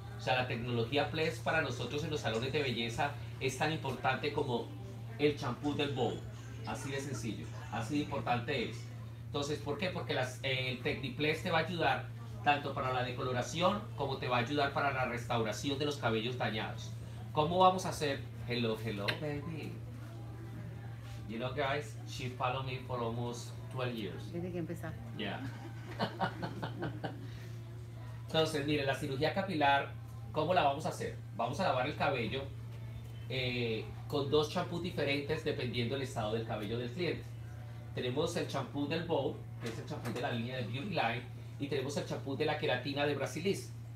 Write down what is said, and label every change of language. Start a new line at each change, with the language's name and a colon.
Spanish: O sea, la tecnología PLES para nosotros en los salones de belleza es tan importante como el champú del bowl. Así de sencillo, así de importante es. Entonces, ¿por qué? Porque el TecniPLES te va a ayudar tanto para la decoloración como te va a ayudar para la restauración de los cabellos dañados. ¿Cómo vamos a hacer?
English: Hello, hello. Baby. You know, guys, she followed me for almost 12 years.
Spanish: Desde que empezaste.
English: Yeah.
Spanish: Entonces, mire, la cirugía capilar, ¿cómo la vamos a hacer? Vamos a lavar el cabello con dos champús diferentes dependiendo del estado del cabello del cliente. Tenemos el champú del Bow, que es el champú de la línea de Beauty Line, y tenemos el champú de la queratina de Brasilis.